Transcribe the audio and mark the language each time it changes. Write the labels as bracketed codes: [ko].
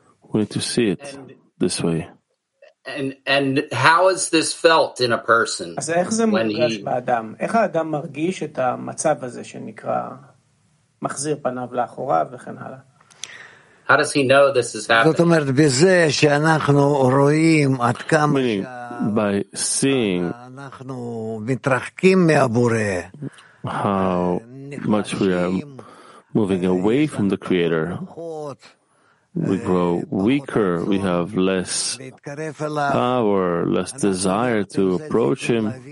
[en] We need to see it this way. And how is this felt in a person when he? [he] איך האדם מרגיש את המצב הזה שנקרא מחזיר פניו לאחורה וכן הלאה? [en] How does he know this is happening? [he] זאת אומרת, בזה שאנחנו רואים עד כמה [en] by seeing [he] אנחנו מתרחקים מהבורא. [en] How much we are moving away from the Creator, we grow weaker, we have less power, less desire to approach Him.